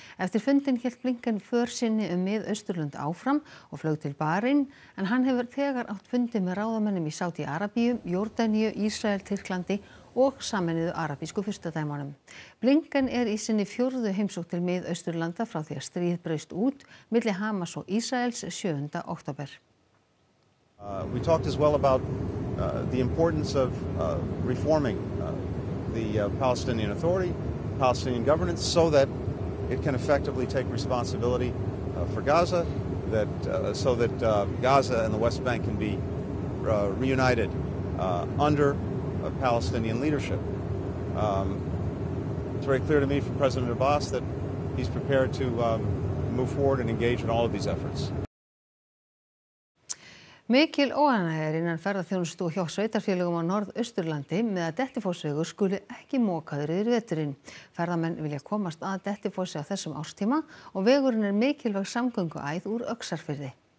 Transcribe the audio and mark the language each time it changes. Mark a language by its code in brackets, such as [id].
[is] Eftir fundin hélt Blinken för sinni Mið-Austurlönd áfram og flög til Bahrain, en hann hefur þegar átt fundi með ráðamönnum í Sádi-Arabíu, Jórdaníu, Ísrael, Tyrklandi og sameinuðu arabísku furstadæmunum. Blinken í sinni fjórðu heimsókn til Mið-Austurlanda frá því að stríð braust út milli Hamas og Ísraels 7. október. [en] We talked as well about the importance of reforming the Palestinian Authority, Palestinian governance, so that it can effectively take responsibility for Gaza, so that Gaza and the West Bank can be reunited under a Palestinian leadership. It's very clear to me from President Abbas that he's prepared to move forward and engage in all of these efforts. [is] Mikil óanægja er innan ferðaþjónustu hjá sveitarfélögum á Norðausturlandi með að Dettifossvegi skuli ekki mokaður yfir veturinn. Ferðamenn vilja komast að Dettifossi á þessum árstíma og vegurinn er mikilvæg samgönguæð úr Öxarfirði.